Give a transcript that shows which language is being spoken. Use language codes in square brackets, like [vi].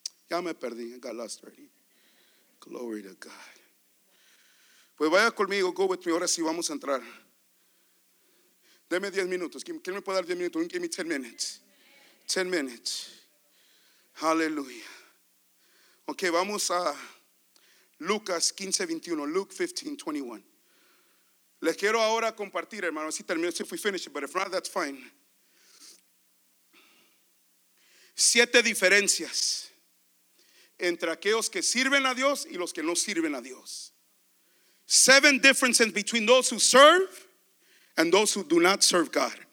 [es] Ya me perdí. [en] I got lost already. Glory to God. [es] Pues vaya conmigo. [en] Go with me. [es] Ahora sí vamos a entrar. Deme 10 minutos. ¿Quién me puede dar 10 minutos? [en] Give me 10 minutes. 10 minutes. Hallelujah. [es] Ok, vamos a Lucas 15:21. Luke 15:21. Les quiero ahora compartir, hermano. Así termino. [en] If we finish it, but if not, that's fine. [es] Siete diferencias entre aquellos que sirven a Dios y los que no sirven a Dios. [en] Seven differences between those who serve and those who do not serve God.